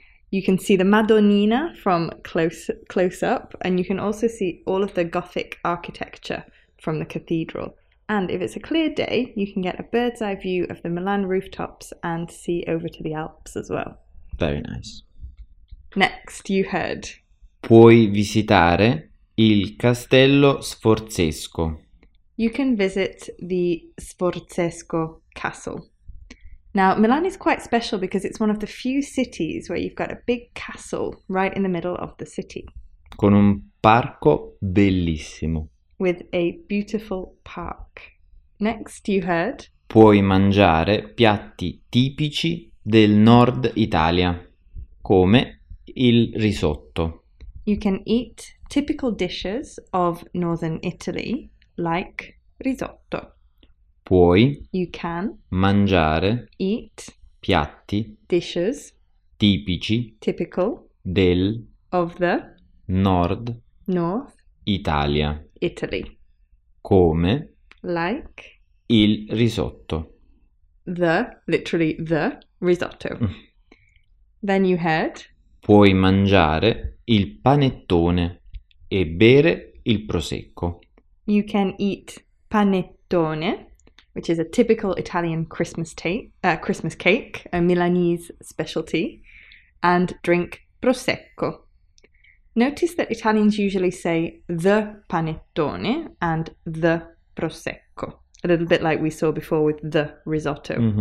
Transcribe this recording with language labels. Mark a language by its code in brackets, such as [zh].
[en] You can see the Madonnina from close up, and you can also see all of the Gothic architecture from the cathedral. And if it's a clear day, you can get a bird's eye view of the Milan rooftops and see over to the Alps as well. Very nice. Next, you heard. [it] Puoi visitare il Castello Sforzesco. [en] You can visit the Sforzesco castle. Now, Milan is quite special because it's one of the few cities where you've got a big castle right in the middle of the city. [it] Con un parco bellissimo. [en] With a beautiful park. Next, you heard. [it] Puoi mangiare piatti tipici del nord Italia, come il risotto. [en] You can eat typical dishes of northern Italy, like risotto. [it] Puoi, [en] you can, [it] mangiare, [en] eat, [it] piatti, [en] dishes, [it] tipici, [en] typical, [it] del, [en] of the, [it] nord, [en] north, [it] Italia, [en] Italy, [it] come, [en] like, [it] il risotto, [en] the, literally the, risotto. Then you had? [it] Puoi mangiare il panettone e bere il prosecco. [en] You can eat panettone, which is a typical Italian Christmas cake, a Milanese specialty, and drink prosecco. Notice that Italians usually say the panettone and the prosecco, a little bit like we saw before with the risotto, mm-hmm.